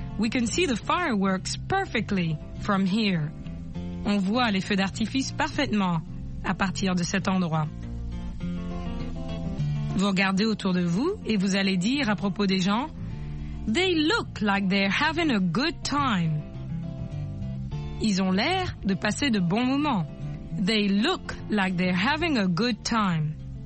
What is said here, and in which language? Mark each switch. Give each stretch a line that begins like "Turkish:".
English: We can see the fireworks perfectly from here.
French: On voit les feux d'artifice parfaitement à partir de cet endroit. Vous regardez autour de vous et vous allez dire à propos des gens,
English: they look like they're having a good time.
French: Ils ont l'air de passer de bons moments.
English: They look like they're having a good time.